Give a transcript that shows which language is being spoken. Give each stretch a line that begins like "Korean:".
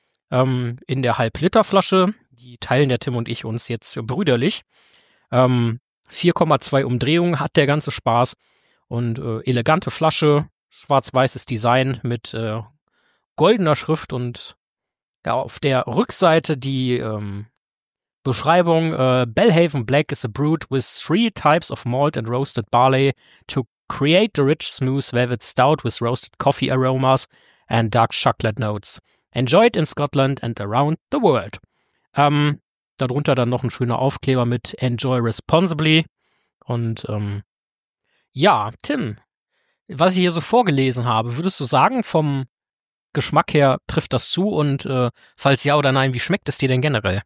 German: In der Halbliterflasche. Die teilen der Tim und ich uns jetzt brüderlich. 4,2 Umdrehungen hat der ganze Spaß. Und elegante Flasche. Schwarz-weißes Design mit goldener Schrift und ja, auf der Rückseite die Beschreibung.
English: Belhaven Black is a brewed with three types of malt and roasted barley to create the rich, smooth, velvet stout with roasted coffee aromas and dark chocolate notes. Enjoyed in Scotland and around the world.
German: Darunter dann noch ein schöner Aufkleber mit Enjoy Responsibly. Und ja, Tim, was ich hier so vorgelesen habe, würdest du sagen, vom Geschmack her trifft das zu und falls ja oder nein, wie schmeckt es dir denn generell?